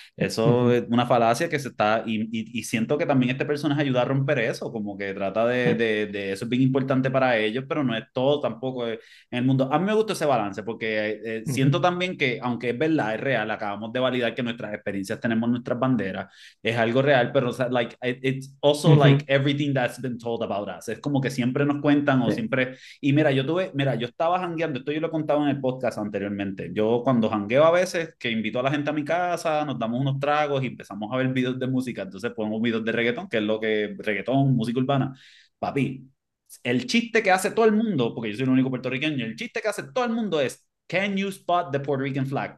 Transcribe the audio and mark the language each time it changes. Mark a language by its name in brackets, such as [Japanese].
[Spanish] Eso es una falacia que se está, y siento que también este personaje ayuda a romper eso, como que trata de eso es bien importante para ellos, pero no es todo tampoco en el mundo. A mí me gusta ese balance, porque siento también que, aunque es verdad, es real, acabamos de validar que nuestras experiencias tenemos nuestras banderas. Es algo real, pero o sea, [English] like, it's also like everything that's been told about us. [Spanish] Es como que siempre nos cuentan o siempre. Y mira, yo estaba jangueando, esto yo lo contaba en el podcast anteriormente. Yo cuando jangueo a veces, que invito a la gente a mi casa, nos damos unos tragos y empezamos a ver videos de música. Entonces ponemos videos de reggaetón, que es lo que. Reggaetón, música urbana. Papi, el chiste que hace todo el mundo, porque yo soy el único puertorriqueño, el chiste que hace todo el mundo es: [English] Can you spot the Puerto Rican flag?